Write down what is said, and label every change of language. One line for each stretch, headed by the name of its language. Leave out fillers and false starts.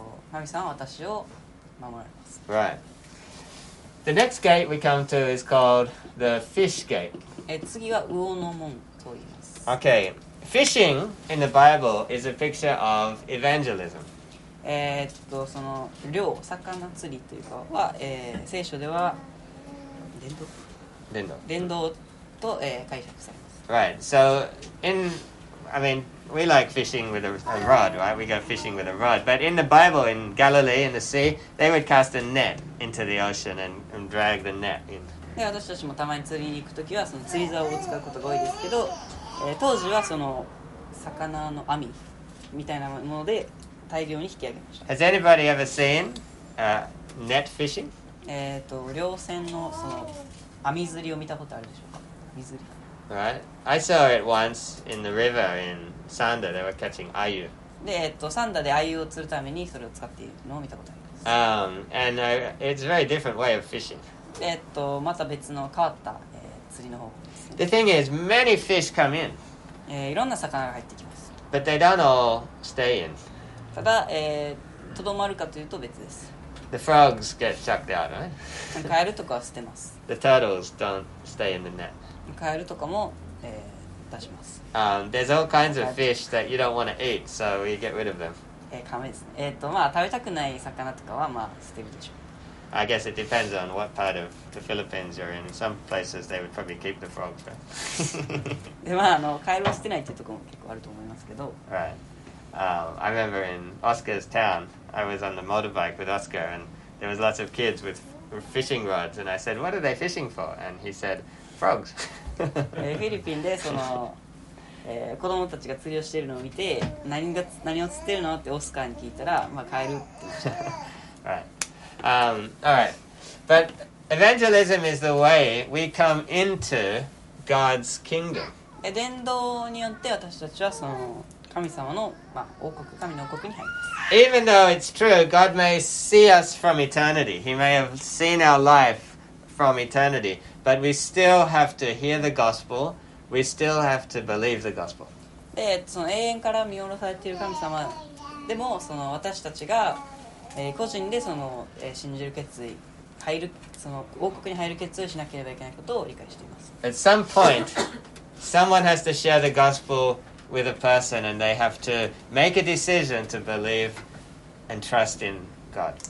Japanese: 神様は私を守られます。
English: Right. The next gate we come to is called the fish gate.
Japanese: 次は魚の門と言います。
English: Okay, fishing in the Bible is a picture of evangelism.
Japanese: その漁、魚釣りというかは、聖書では伝道。伝道。伝道と、解釈されます。
English: Right. So in, I mean, we like fishing with a rod, right? We go fishing with a rod. But in the Bible, in Galilee, in the sea, they would cast a net. Into the ocean and drag the net in.
Japanese: で私たちもたまに釣りに行くときはその釣り竿を使うことが多いですけど、当時はその魚の網みたいなもので大量に引き上げました。
English: Has anybody ever seen net fishing?
Japanese: 漁船のその網釣りを見たことあるでしょうか？網釣り。
English: Right. I saw it once in the river in Sanda. They were catching ayu.
Japanese: で、サンダでアユを釣るためにそれを使っているのを見たことあります。
English: And it's a very different way of fishing.
Japanese: また別の変わった、釣りの方法ですね。
English: The thing is, many fish come in.
Japanese: いろんな魚が入ってきます。
English: But they don't all stay in.
Japanese: ただ、とどまるかというと別です。
English: The frogs get chucked out, right?
Japanese: カエルとかは捨てます。
English: The turtles don't stay in the net.
Japanese: カエルとかも、出します。
English: There's all kinds of fish that you don't want to eat, so you get rid of them.
Japanese: カメですね。食べたくない魚とかは、捨てるでしょう。
English: I guess it depends on what part of the Philippines you're in. Some places they would probably keep the frog, but...
Japanese: で、カエルは捨てないっていうところも結構あると思いますけど。
English: Right. I remember in Oscar's town, I was on the motorbike with Oscar, and there was lots of kids with fishing rods, and I said, what are they fishing for? And he said, frogs.
Japanese: フィリピンで、子供たちが釣りをしているのを見て何を釣ってるのってオスカーに聞いたら、カエルって言ってました。
English: Right. All right. But evangelism is the way we come into God's kingdom.
Japanese: 伝道によって私たちはその神様の、王国、神の王国に入ります。
English: Even though it's true, God may see us from eternity. He may have seen our life from eternity. But we still have to hear the gospel. We still have to believe the gospel.
Japanese: で、その永遠から見下ろされている神様でも、その私たちが、個人でその、信じる決意、入る、その王国に入る決意をしなければいけないことを理解しています。
English: At some point, someone has to share the gospel with a person and they have to make a decision to believe and trust in God.